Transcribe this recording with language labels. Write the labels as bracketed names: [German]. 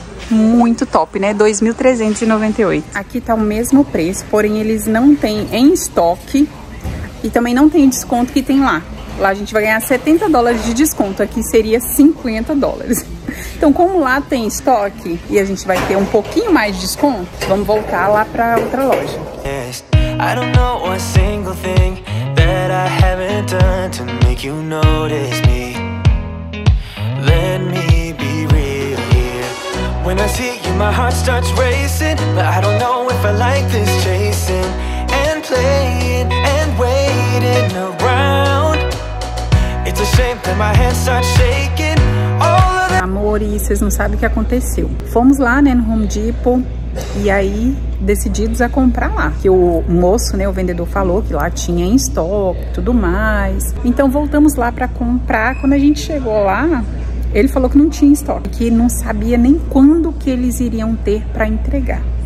[Portuguese] Muito top, né? R$2.398. Aqui tá o mesmo preço, porém eles não têm em estoque e também não tem desconto que tem lá. Lá a gente vai ganhar US$70 de desconto, aqui seria US$50. Então, como lá tem estoque e a gente vai ter um pouquinho mais de desconto, vamos voltar lá pra outra loja. [English] I don't know a single thing that I haven't done to make you notice me. Let me be real here. When I see you, my heart starts racing, but I don't know if I like this chasing and playing and waiting around. It's a shame that my hands start shaking. All of that... [Portuguese] Amor, e vocês não sabem o que aconteceu. Fomos lá, né, no Home Depot. E aí, decididos a comprar lá. Que o moço, né, o vendedor falou que lá tinha em estoque, tudo mais. Então voltamos lá pra comprar. Quando a gente chegou lá, ele falou que não tinha em estoque, que não sabia nem quando que eles iriam ter pra entregar.